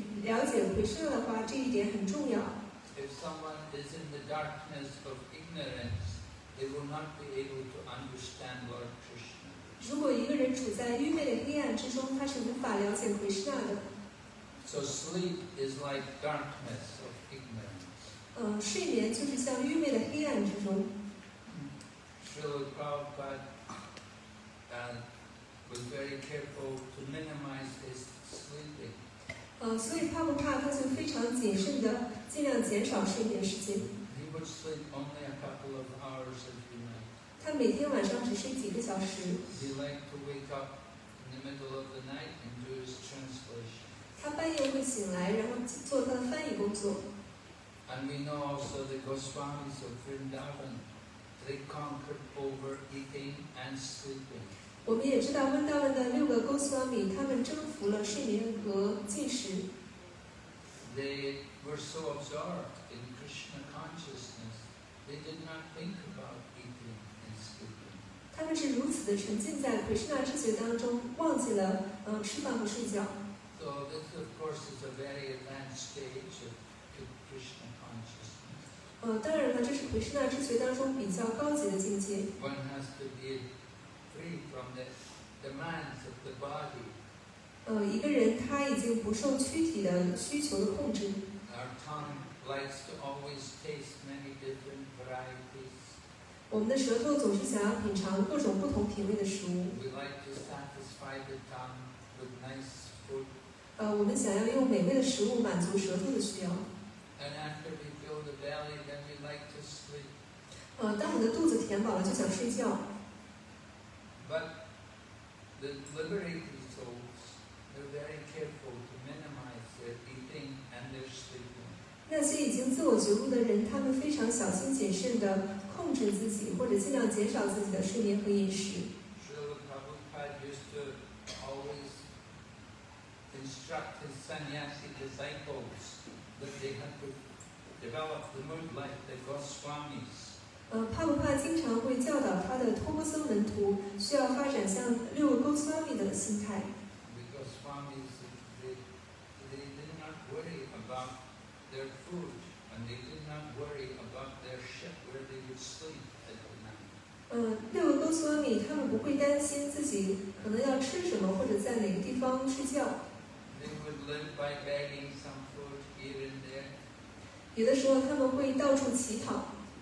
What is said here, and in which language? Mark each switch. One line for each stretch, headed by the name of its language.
Chinese: 这意味着他可以征服睡眠。帕帕解释到，如果我们想要去了解奎舍那的话，这一点很重要。
English: If someone is in the darkness of ignorance, they will not be able to understand Lord Krishna.
Chinese: 如果一个人处在愚昧的黑暗之中，他是无法了解奎舍那的。
English: So sleep is like darkness of ignorance.
Chinese: 睡眠就是像愚昧的黑暗之中。
English: Srila Prabhupada was very careful to minimize his sleeping.
Chinese: 所以帕布帕他就非常谨慎的尽量减少睡眠时间。
English: He would sleep only a couple of hours every night.
Chinese: 他每天晚上只睡几个小时。
English: He liked to wake up in the middle of the night and do his translation.
Chinese: 他半夜会醒来，然后做他的翻译工作。
English: And we know also the Goswamis of Vrindavan, they conquered over eating and sleeping.
Chinese: 我们也知道温大文的六个 Goswami, 他们征服了睡眠和进食。
English: They were so absorbed in Krishna consciousness, they did not think about eating and sleeping.
Chinese: 他们是如此的沉浸在 Krishna 知觉当中，忘记了吃饭和睡觉。
English: So this, of course, is a very advanced stage of Krishna consciousness.
Chinese: 当然了，这是 Krishna 知觉当中比较高级的境界。
English: One has to be free from the demands of the body.
Chinese: 一个人他已经不受躯体的需求的控制。
English: Our tongue likes to always taste many different varieties.
Chinese: 我们的舌头总是想要品尝各种不同品味的食物。
English: We like to satisfy the tongue with nice food.
Chinese: 我们想要用美味的食物满足舌头的需要。
English: And after we fill the belly, then we like to sleep.
Chinese: 当我们的肚子填饱了，就想睡觉。
English: But the liberated souls, they're very careful to minimize their eating and their sleeping.
Chinese: 那些已经自我觉悟的人，他们非常小心谨慎地控制自己，或者尽量减少自己的睡眠和饮食。
English: Srila Prabhupada used to always instruct his sannyasi disciples that they had to develop the mood like the Goswamis.
Chinese: 帕布帕经常会教导他的托钵僧门徒需要发展像六位 Goswami 的心态。
English: Because Swamis, they did not worry about their food, and they did not worry about their ship where they would sleep at the night.
Chinese: 六位 Goswami 他们不会担心自己可能要吃什么或者在哪个地方睡觉。
English: They would live by begging some food here and there.
Chinese: 有的时候他们会到处乞讨。